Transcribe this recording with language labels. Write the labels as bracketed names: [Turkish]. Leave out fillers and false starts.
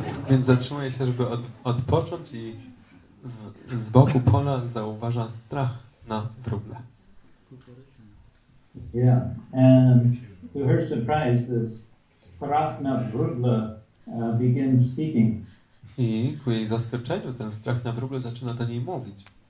[Polish] Więc zatrzymuje się, żeby odpocząć i z boku pola zauważa strach na wróble. [English] Yeah, and to her surprise, this [Polish] strach na wróble [English] begins speaking. [Polish] I ku jej zaskoczeniu ten strach na wróble zaczyna do niej mówić.